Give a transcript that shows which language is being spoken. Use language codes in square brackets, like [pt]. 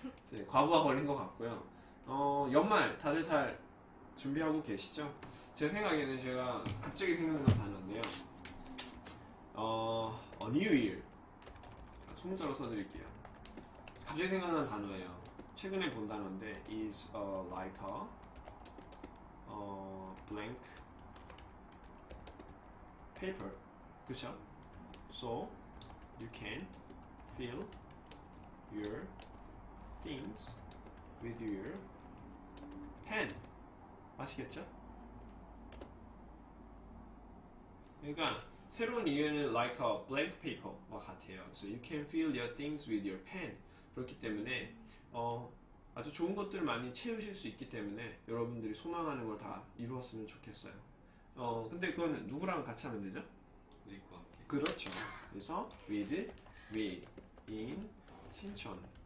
[ko] 네, 과부하 걸린 것 같고요. 어, 연말 다들 잘 준비하고 계시죠? 제 생각에는 제가 갑자기 생각난 단어인데요. 어, [en] A New Year [ko] 소문자로 써드릴게요. 갑자기 생각난 단어예요. 최근에 본 단어인데 [en] is a like a blank paper. [ko] 그쵸? [en] So you can fill your things with your pen. [ko] 아시겠죠? 그러니까 새로운 이유는 [en] like a blank paper [ko] 와 같아요. [en] So you can fill your things with your pen. [ko] 그렇기 때문에 어, 아주 좋은 것들 많이 채우실 수 있기 때문에 여러분들이 소망하는 걸 다 이루었으면 좋겠어요. 어, 근데 그건 누구랑 같이 하면 되죠? 네이과 함께. 그렇죠. 그래서 with, in, 신촌.